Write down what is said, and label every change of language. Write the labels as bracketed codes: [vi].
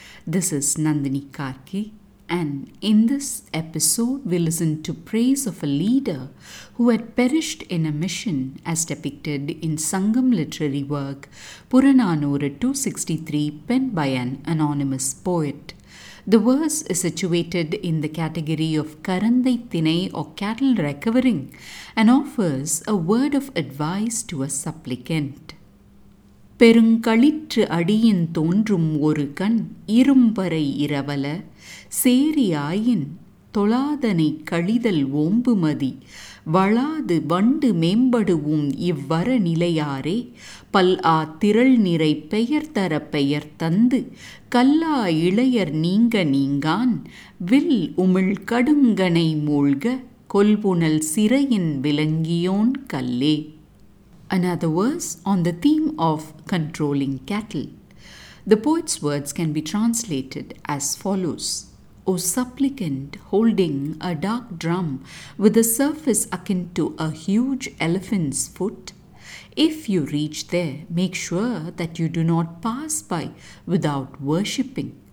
[en] This is Nandini Karki, and in this episode we listen to praise of a leader who had perished in a mission as depicted in Sangam literary work Puranaanooru 263 penned by an anonymous poet. The verse is situated in the category of Karanthai Thinai or cattle recovering and offers a word of advice to a supplicant. [ta] பெருங்களிற்று அடியின் தோன்றும் ஒரு கண் இரும்பறை இரவல சேரியாயின் தொழாதனை கழிதல் ஓம்புமதி வளாது வண்டு மேம்படுவோம் இவ்வர நிலையாரே பல் ஆ திரள் நிறை பெயர் தர பெயர் தந்து கல்லா இளையர் நீங்க நீங்கான் வில் உமிழ் கடுங்கனை மூழ்க கொல்புணல் சிறையின் விளங்கியோன் கல்லே. [en] Another verse on the theme of controlling cattle. The poet's words can be translated as follows. O supplicant holding a dark drum with a surface akin to a huge elephant's foot, if you reach there, make sure that you do not pass by without worshipping.